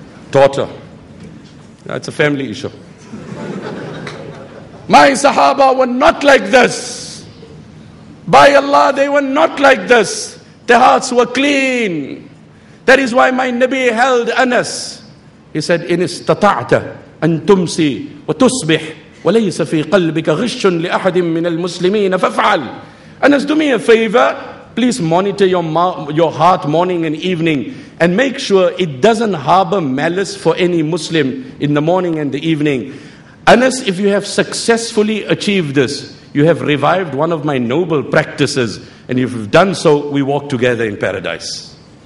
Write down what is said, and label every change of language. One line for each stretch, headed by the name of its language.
English: Daughter. That's a family issue. My Sahaba were not like this. By Allah, they were not like this. Their hearts were clean. That is why my Nabi held Anas.
Arabic: He said, إِنِ اسْتَطَعْتَ أَن تُمْسِي وَتُصْبِحْ وَلَيْسَ فِي قَلْبِكَ غِشٌ لِأَحَدٍ مِّنَ الْمُسْلِمِينَ فَفْعَلْ.
English: Anas, do me a favor, please monitor your heart morning and evening and make sure it doesn't harbor malice for any Muslim in the morning and the evening. Anas, if you have successfully achieved this, you have revived one of my noble practices, and if you've done so, we walk together in paradise.